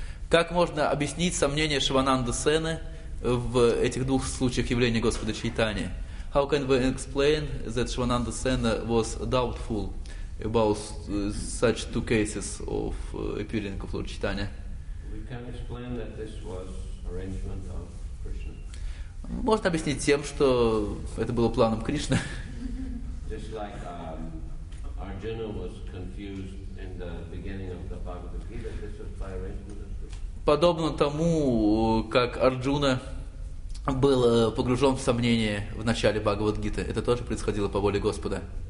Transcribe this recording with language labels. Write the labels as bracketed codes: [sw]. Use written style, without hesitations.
[ru] Как можно объяснить сомнения Шивананды Сены в этих двух случаях явления Господа Чайтани? [en] How can we explain that Шивананда Сена was doubtful about such two cases of appearing of Lord Chaitanya? We can explain that this was arrangement of Krishna. [ru] Можно объяснить тем, что это было планом Кришны. [en] Just like Arjuna was confused in the beginning of the Bhagavad Gita, this was by arrangement. [ru] Подобно тому, как Арджуна был погружен в сомнение в начале Бхагавад-гиты. Это тоже происходило по воле Господа.